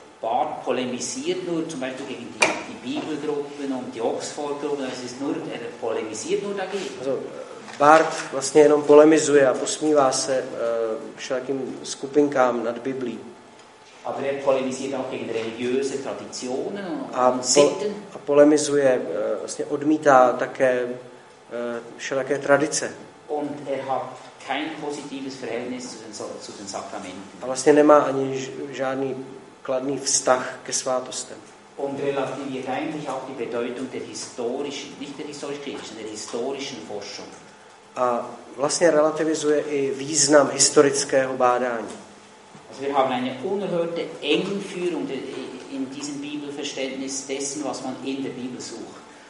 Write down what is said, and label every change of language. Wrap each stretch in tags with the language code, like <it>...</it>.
<de>Bart polemisiert nur zum Beispiel gegen die Bibelgruppen und die Oxfordgruppen, es ist nur, er polemisiert nur dagegen.</de> <cs>Also, Bart vlastně jenom polemizuje a posmívá se všelakým skupinkám nad Biblií.</cs> <de>Aber er polemisiert auch gegen religiöse Traditionen und Sitten.</de> <cs>A polemizuje, vlastně odmítá také všelaké tradice.</cs> <de>Und er hat kein positives Verhältnis zu den Sakramenten.</de> <cs>A vlastně nemá ani žádný kladný vztah ke svátostem.</cs> <de>Und relativiert eigentlich auch die Bedeutung der historischen, nicht der historisch-kritischen, der historischen Forschung.</de> <cs>A vlastně relativizuje i význam historického bádání.</cs> <de>Also wir haben eine unerhörte Engführung in diesem Bibelverständnis dessen, was man in der Bibel sucht.</de>